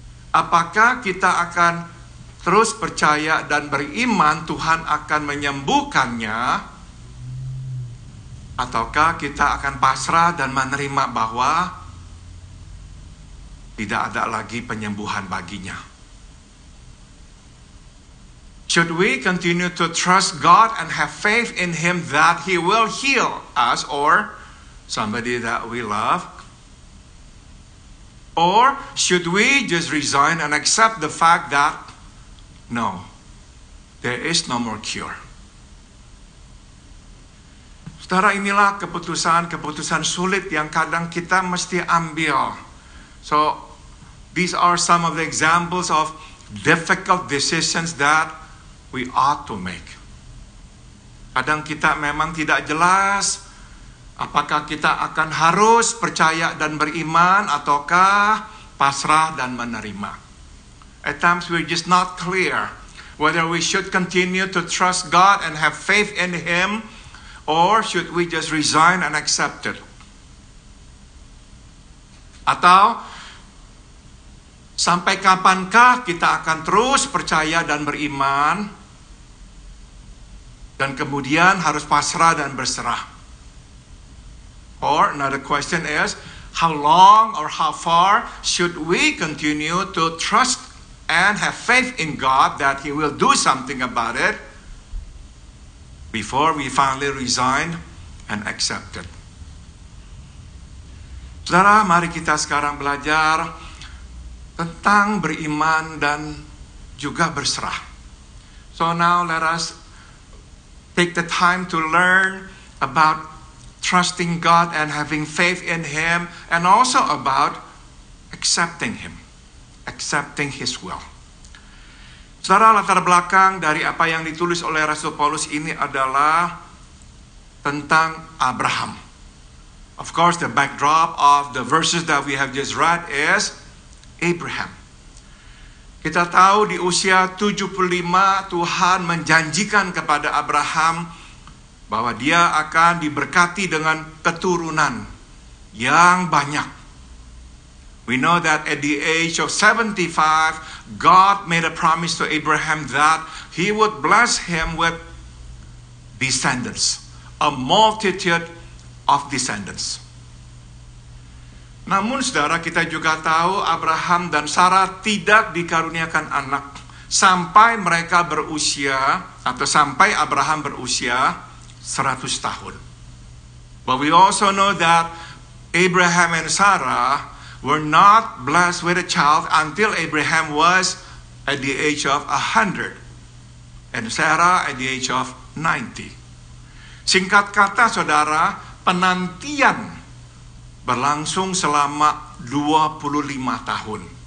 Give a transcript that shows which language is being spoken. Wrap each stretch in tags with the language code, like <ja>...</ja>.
<id>Apakah kita akan terus percaya dan beriman Tuhan akan menyembuhkannya, ataukah kita akan pasrah dan menerima bahwa tidak ada lagi penyembuhan baginya?</id> <en>Should we continue to trust God and have faith in Him that He will heal us or somebody that we love? Or should we just resign and accept the fact that no, there is no more cure?</en> <id>Saudara, inilah keputusan-keputusan sulit yang kadang kita mesti ambil.</id> <en>So, these are some of the examples of difficult decisions that we ought to make.</en> <id>Kadang kita memang tidak jelas apakah kita akan harus percaya dan beriman ataukah pasrah dan menerima.</id> <en>At times we're just not clear whether we should continue to trust God and have faith in Him, or should we just resign and accept it.</en> <id>Atau sampai kapankah kita akan terus percaya dan beriman, dan kemudian harus pasrah dan berserah?</id> <en>Or another question is, how long or how far should we continue to trust and have faith in God that He will do something about it before we finally resign and accept it?</en> <id>Saudara, mari kita sekarang belajar tentang beriman dan juga berserah.</id> <en>So now let us take the time to learn about trusting God and having faith in Him, and also about accepting Him, accepting His will.</en> <id>Saudara, latar belakang dari apa yang ditulis oleh Rasul Paulus ini adalah tentang Abraham.</id> <en>Of course, the backdrop of the verses that we have just read is Abraham.</en> <id>Kita tahu di usia 75 Tuhan menjanjikan kepada Abraham bahwa dia akan diberkati dengan keturunan yang banyak.</id> <en>We know that at the age of 75, God made a promise to Abraham that He would bless him with descendants, a multitude of descendants.</en> <id>Namun saudara, kita juga tahu Abraham dan Sarah tidak dikaruniakan anak sampai mereka berusia, atau sampai Abraham berusia 100 tahun.</id> <en>But we also know that Abraham and Sarah were not blessed with a child until Abraham was at the age of 100 and Sarah at the age of 90.</en> <id>Singkat kata saudara, penantian berlangsung selama 25 tahun.</id>